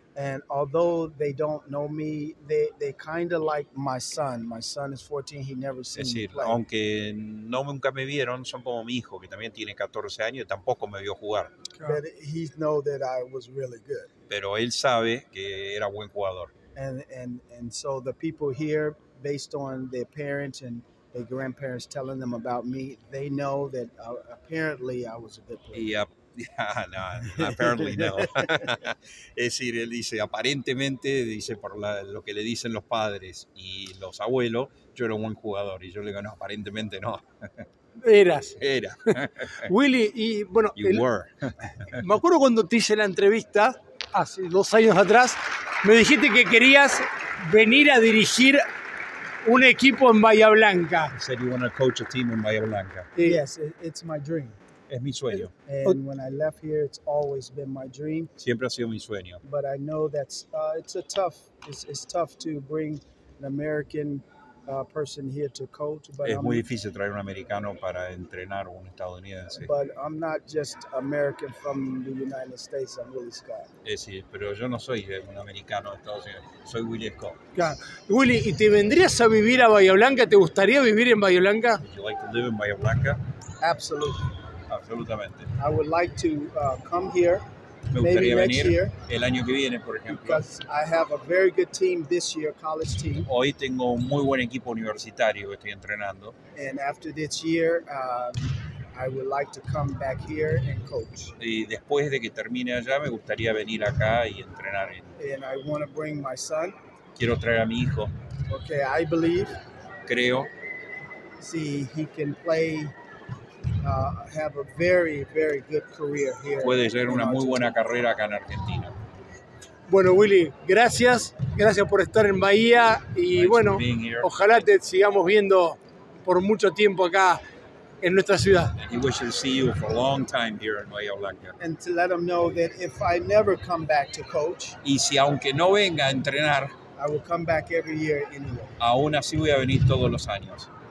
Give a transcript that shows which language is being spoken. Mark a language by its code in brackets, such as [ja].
[en] And although they don't know me, they kind of like my son. My son is 14, he never [es] Es [en] seen me [es] decir, [en] play. [es] aunque no nunca me vieron, son como mi hijo, que también tiene 14 años y tampoco me vio jugar. [en] But he knows that I was really good. [es] Pero él sabe que era buen jugador. [en] And so the people here, based on their parents and their grandparents telling them about me, they know that apparently I was a good player. Y No, apparently no. [es] Es decir, él dice, aparentemente, dice, por lo que le dicen los padres y los abuelos, yo era un buen jugador. Y yo le digo, no, aparentemente no. Eras. Era. Willy, y bueno. Me acuerdo cuando te hice la entrevista, hace 2 años atrás, me dijiste que querías venir a dirigir un equipo en Bahía Blanca. [en] You said you want to coach a team in Bahía Blanca. Yes, it's my dream. [es] Es mi sueño. [en] And when I left here, it's always been my dream. [es] Siempre ha sido mi sueño. [en] But I know that's it's tough to bring an American person here to coach. But [es] es muy difícil traer un americano para entrenar un estadounidense. [en] But I'm not just American from the United States. I'm Willie Scott. [es] Es sí, pero yo no soy un americano de Estados Unidos. Soy Willie Scott. [en] Yeah. [es] Willie, ¿y te vendrías a vivir a Bahía Blanca? ¿Te gustaría vivir en Bahía Blanca? [en] Would you like to live in Bahía Blanca? Absolutely. [es] Absolutamente. [en] I would like to come here. [es] Me gustaría [en] maybe [es] venir [en] next year, [es] el año que viene, por ejemplo. [en] Because I have a very good team this year, college team. [es] Hoy tengo un muy buen equipo universitario que estoy entrenando. [en] And after this year, I would like to come back here and coach. [es] Y después de que termine allá, me gustaría venir acá y entrenar. [en] And I want to bring my son. [es] Quiero traer a mi hijo. [en] Okay, I believe. [es] Creo. [en] See, he can play. Have a very, very good career here. [es] Puede ser una muy buena carrera acá en Argentina. Bueno, Willy, gracias por estar en Bahía y [en] thanks, [es] bueno, ojalá te sigamos viendo por mucho tiempo acá en nuestra ciudad. [en] And we should see you for a long time here in Bahía Blanca. And to let them know that if I never come back to coach, [es] y si aunque no venga a entrenar, [en] I will come back every year anyway. [es] Aún así voy a venir todos los años.